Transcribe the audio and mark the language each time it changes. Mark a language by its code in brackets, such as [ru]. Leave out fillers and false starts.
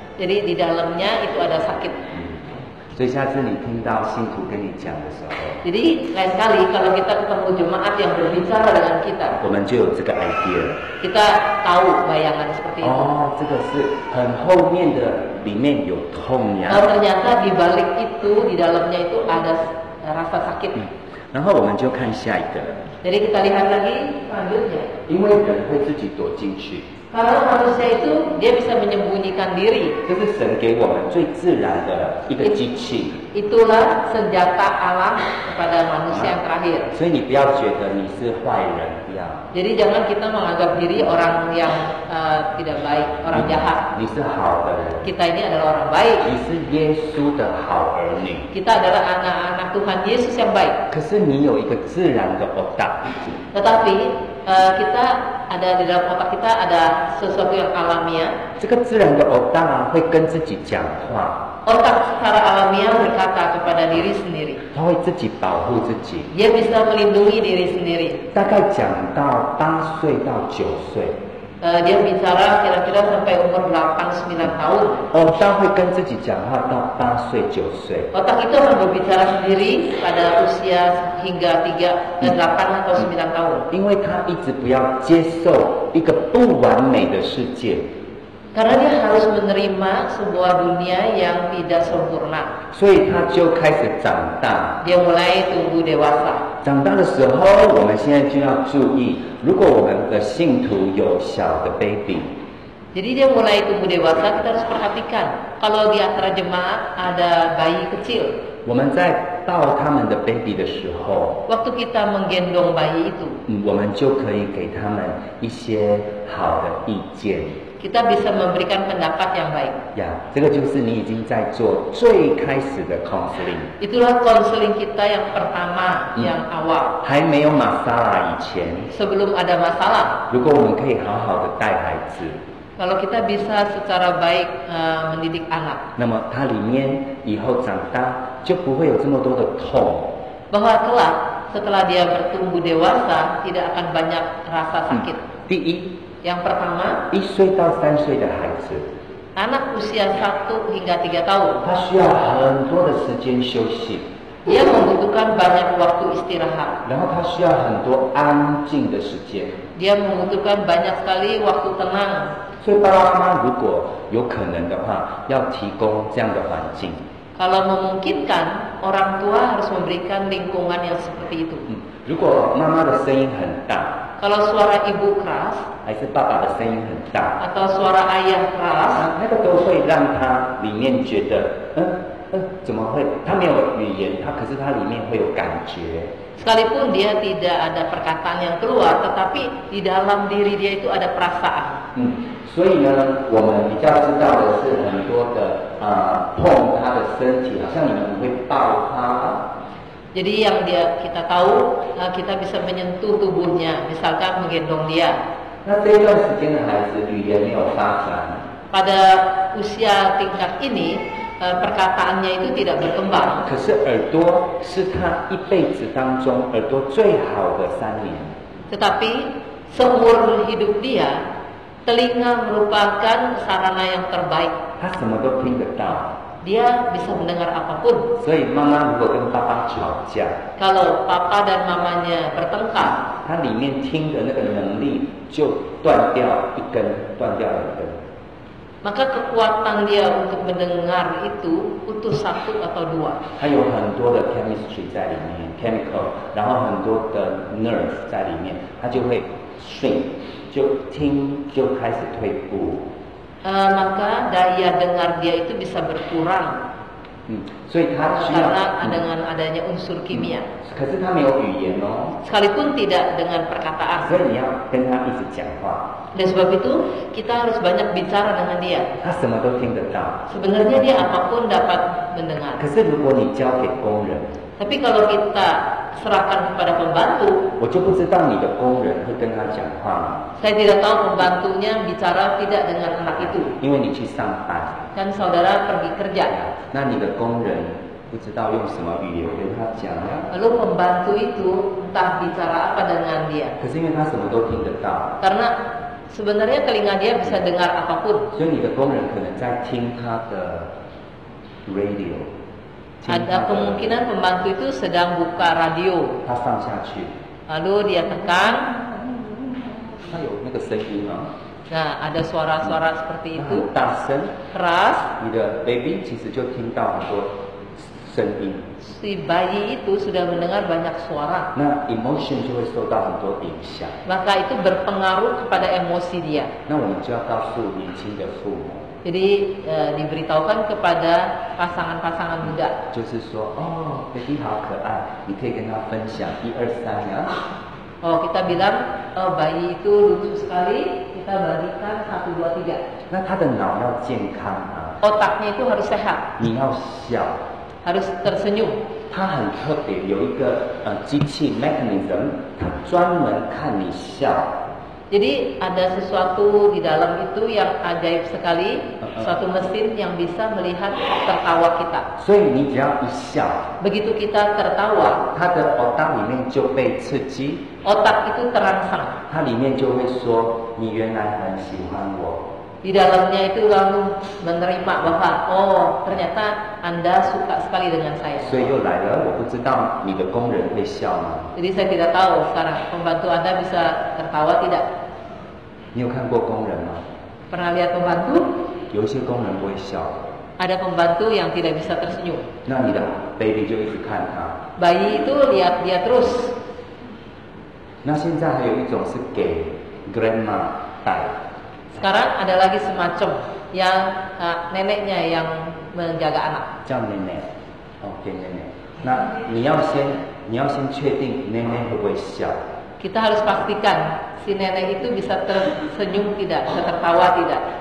[id] Jadi di dalamnya itu ada sakit. [zh] Jadi, 下次你听到信徒跟你讲的时候。 [id] Jadi lain kali kalau kita ketemu jemaat yang berbicara dengan kita. [zh] 我们就有这个 idea. [id] Kita tahu bayangan seperti itu. [zh] Oh, 这个是很后面的，里面有痛呀。 [id] Kalau ternyata di balik itu di dalamnya itu ada rasa sakit. [zh] 然后我们就看下一个。 [id] Jadi kita lihat lagi selanjutnya. [zh] 因为人会自己躲进去。 [id] Kalau manusia itu dia bisa menyembunyikan diri. [zh] 这是神给我们最自然的一个机器。 [id] Itulah senjata Allah kepada manusia yang terakhir. [zh] 所以你不要觉得你是坏人，不要。 [id] Jadi jangan kita menganggap diri orang yang tidak baik, orang jahat. [zh] 你是好的人。 [id] Kita ini adalah orang baik. [zh] 你是耶稣的好儿女。 [id] Kita adalah anak-anak Tuhan Yesus yang baik. [zh] 可是你有一个自然的 otak。 [id] Tetapi kita ada di dalam otak kita ada sesuatu yang alamiah. [zh] 这个自然的 otak 会跟自己讲话。 [id] Otak secara alamiah berkata kepada diri sendiri. [zh] 他会自己保护自己。 [id] Dia bisa melindungi diri sendiri. [zh] 大概讲到八岁到九岁。 [id] Dia bicara kira-kira sampai umur 8-9 tahun. [zh] Otak 会跟自己讲话到八岁九岁。 [id] Otak itu akan berbicara sendiri pada usia hingga 8-9 tahun. [zh] 因为他一直不要接受一个不完美的世界。 [id] Karena dia harus menerima sebuah dunia yang tidak sempurna. [zh] 所以他就开始长大。 [id] Dia mulai tumbuh dewasa. [zh] 长大的时候，我们现在就要注意，如果我们的信徒有小的 baby， [id] jadi dia mulai tumbuh dewasa kita harus perhatikan kalau di antara jemaat ada bayi kecil。 [zh] 我们在抱他们的 baby 的时候， [id] waktu kita menggendong bayi itu， [zh] 我们就可以给他们一些好的意见。 [id] kita bisa memberikan pendapat yang baik. [zh] Ya, 这个就是你已经在做最开始的 counseling. [id] Itulah counseling kita yang pertama, yang awal. [zh] 还没有 masalah 以前. [id] Sebelum ada masalah. [zh] 如果我们可以好好的带孩子。 [id] Kalau kita bisa secara baik mendidik anak. [zh] 那么它里面以后长大就不会有这么多的痛。 [id] Bahwa kelak setelah dia bertumbuh dewasa tidak akan banyak rasa sakit. Di yang pertama, [zh] 一岁到三岁的孩子 [id] anak usia 1 hingga 3 tahun, [zh] 他需要很多的时间休息 [id] dia membutuhkan banyak waktu istirahat, [zh] 然后他需要很多安静的时间 [id] dia membutuhkan banyak sekali waktu tenang, [zh] 所以爸爸妈妈如果有可能的话要提供这样的环境 [id] kalau memungkinkan, orang tua harus memberikan lingkungan yang seperti itu, [zh] 如果妈妈的声音很大 [id] kalau suara ibu keras, [zh] 还是爸爸的声音很大 [id] atau suara ayah keras, [zh] 那个都会让他里面觉得怎么会他没有语言他可是他里面会有感觉 [id] sekalipun dia tidak ada perkataan yang keluar tetapi di dalam diri dia itu ada perasaan [zh] 所以呢我们比较知道的是很多的碰他的身体好像你们会抱他 [id] jadi yang dia, kita tahu kita bisa menyentuh tubuhnya misalkan menggendong dia [zh] 那这一段时间的孩子语言没有发展。 [id] Pada usia tingkat ini, perkataannya itu tidak berkembang. [zh] 可是耳朵是他一辈子当中耳朵最好的三年。 [id] Tetapi seumur hidup dia, telinga merupakan sarana yang terbaik. [zh] 他什么都听得到。 [id] Dia bisa mendengar apapun. [zh] 所以妈妈如果跟爸爸吵架。 [id] Kalau papa dan mamanya bertengkar. [zh] 他里面听的那个能力。就断掉一根，断掉两根。 [id] Maka kekuatan dia untuk mendengar itu putus satu atau dua。 [zh] 它有很多的 chemistry 在里面 ，chemical， 然后很多的 nerve 在里面，它就会 shrink， 就听就开始退步。 [id] Maka daya dengar dia itu bisa berkurang。 [zh] 所以他需要。 [id] Karena dengan adanya unsur kimia。 [zh] 可是他没有语言哦。 [id] Sekalipun tidak dengan perkataan。 [zh] 所以你要跟他一直讲话。 [id] Dan sebab itu kita harus banyak bicara dengan dia。 [zh] 他什么都听得到。 [id] Sebenarnya dia apapun dapat mendengar。 [zh] 可是如果你交给工人。 [id] Tapi kalau kita serahkan kepada pembantu。 [zh] 我就不知道你的工人会跟他讲话。 [id] Saya tidak tahu pembantunya bicara tidak dengan anak itu。 [zh] 因为你去上班。 [id] Kan saudara pergi kerja。 [zh] 那你的工人。不知道用什么语言跟他讲啊。 [id] Lalu pembantu itu entah bicara apa dengan dia。 [zh] 可是因为他什么都听得到。 [id] Karena sebenarnya telinga dia bisa dengar apapun。 [zh] 所以你的工人可能在听他的 radio。 [id] Ada kemungkinan pembantu itu sedang buka radio。 [zh] 他放下去。 [id] Lalu dia tekan。 [zh] 他有那个声音啊。 [id] Nah, ada suara-suara seperti itu。 [zh] 很大声。 [id] Keras。 [zh] 你的 baby 其实就听到很多。声音 [id] si bayi itu sudah mendengar banyak suara. [zh] 那 emotion 就会受到很多影响。 [id] Maka itu berpengaruh kepada emosi dia. [zh] 那我们就要告诉年轻的父母。 [id] Jadi diberitahukan kepada pasangan-pasangan muda. [zh] 就是说，哦 ，baby 好可爱，你可以跟他分享一二三呀。 [id] 哦，kita bilang bayi itu lucu sekali, kita bagikan satu dua tiga. [zh] 那他的脑要健康啊。 [id] Otaknya itu harus sehat. [zh] 你要笑。 [id] Harus tersenyum. [zh] 它很特别，有一个机器 mechanism， 它专门看你笑。 [id] Jadi ada sesuatu di dalam itu yang ajaib sekali, suatu mesin yang bisa melihat tertawa kita. [zh] 所以你只要一笑。 [id] Begitu kita tertawa. [zh] 它的otak 里面就被刺激。 [id] Otak itu terangsang. [zh] 它里面就会说，你原来很喜欢我。 [id] Di dalamnya itu lalu menerima bahwa oh ternyata anda suka sekali dengan saya. [zh] 所以又来了，我不知道你的工人会笑吗？ [id] Jadi saya tidak tahu sekarang pembantu anda bisa tertawa tidak. [zh] 你有看过工人吗？ [id] Pernah lihat pembantu? [zh] 有些工人不会笑。 [id] Ada pembantu yang tidak bisa tersenyum. [zh] 那你的 baby 就一直看他。 [id] Bayi itu lihat dia terus. [zh] 那现在还有一种是给 grandma 带。 [id] Sekarang ada lagi semacam yang neneknya yang menjaga anak. [zh] 叫奶奶 ，OK 奶奶。那你要先确定奶奶会不会笑。 K [id] kita harus pastikan si nenek itu bisa tersenyum tidak, bisa tertawa tidak.